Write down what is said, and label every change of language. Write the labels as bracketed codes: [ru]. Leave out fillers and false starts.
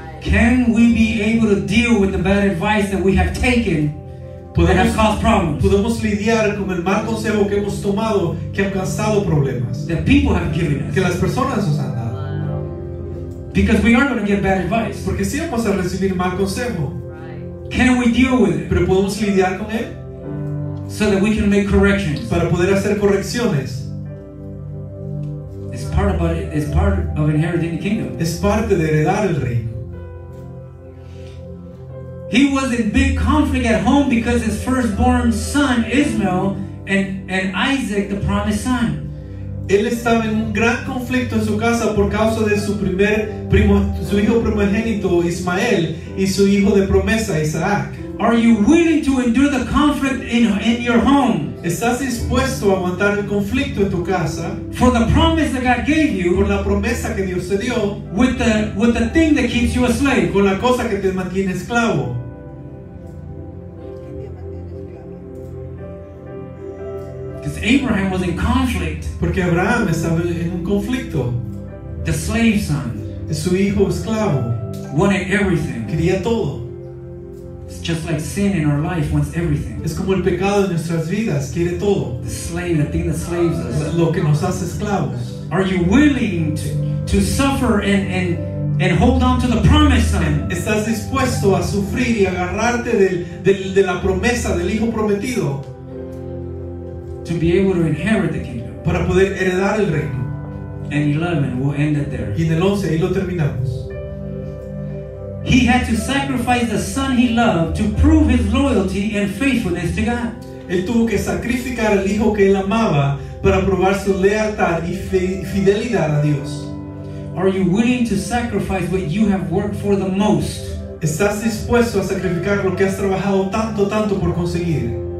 [en] Can we be able to deal with the bad advice that we have taken that has caused problems? [es] Podemos lidiar con el mal consejo que hemos tomado que ha causado problemas. [en] That people have given us. [es] Que las personas nos han dado. [en] Because we are going to get bad advice. [es] Porque sí vamos a recibir mal consejo. [en] Can we deal with it? [es] Pero podemos lidiar con él. [en] So that we can make corrections. [es] Para poder hacer correcciones. [en] It's part about it. is part of inheriting the kingdom. [es] Es parte de heredar el reino. [en] He was in big conflict at home because his firstborn son Ismael and Isaac, the promised son. [es] Él estaba en un gran conflicto en su casa por causa de su hijo primogénito Ismael y su hijo de promesa Isaac. [en] Are you willing to endure the conflict in your home? [es] ¿Estás dispuesto a aguantar el conflicto en tu casa? [en] For the promise that God gave you. [es] Por la promesa que Dios te dio. [en] With the thing that keeps you a slave. [es] Con la cosa que te mantiene esclavo. [en] Because Abraham was in conflict. [es] Porque Abraham estaba en un conflicto. [en] The slave son. [es] Su hijo esclavo. [en] Wanted everything. [es] Quería todo. [en] It's just like sin in our life wants everything. [es] Es como el pecado en nuestras vidas. Quiere todo. [en] The slave, the thing that slaves us. [es] Lo que nos hace esclavos. [en] Are you willing to suffer and hold on to the promise? [es] ¿Estás dispuesto a sufrir y agarrarte de la promesa del hijo prometido? [en] To be able to inherit the kingdom. [es] Para poder heredar el reino. [en] And 11, we'll end it there. [es] Y en el 11, ahí lo terminamos. [en] He had to sacrifice the son he loved to prove his loyalty and faithfulness to God. [es] Él tuvo que sacrificar al hijo que él amaba para probar su lealtad y fidelidad a Dios. [en] Are you willing to sacrifice what you have worked for the most? [es] ¿Estás dispuesto a sacrificar lo que has trabajado tanto, tanto por conseguir?